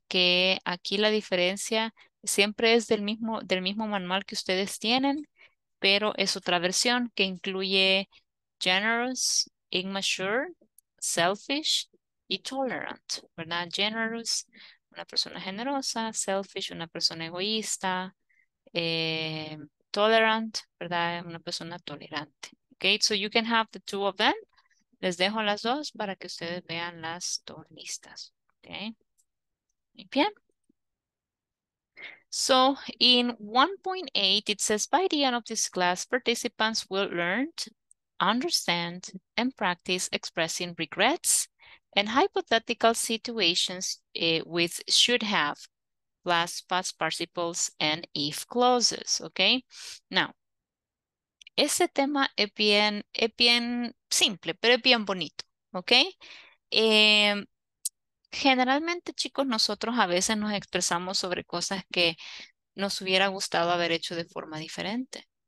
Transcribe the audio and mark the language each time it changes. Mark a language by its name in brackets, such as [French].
[Spanish] Que aquí la diferencia siempre es del mismo manual que ustedes tienen, pero es otra versión que incluye generous, immature, selfish y tolerant, ¿verdad? Generous, una persona generosa, selfish, una persona egoísta, tolerant, ¿verdad? Una persona tolerante. [English] Okay, so you can have the two of them. [Spanish] Les dejo las dos para que ustedes vean las dos listas. Okay. Muy bien. [English] So in 1.8, it says by the end of this class, participants will learn, understand, and practice expressing regrets and hypothetical situations with should have plus past participles and if clauses. Okay. Now, [Spanish] ese tema es bien simple, pero es bien bonito. Okay. Generalmente, chicos, nosotros a veces nos expresamos sobre cosas que nos hubiera gustado haber hecho de forma diferente.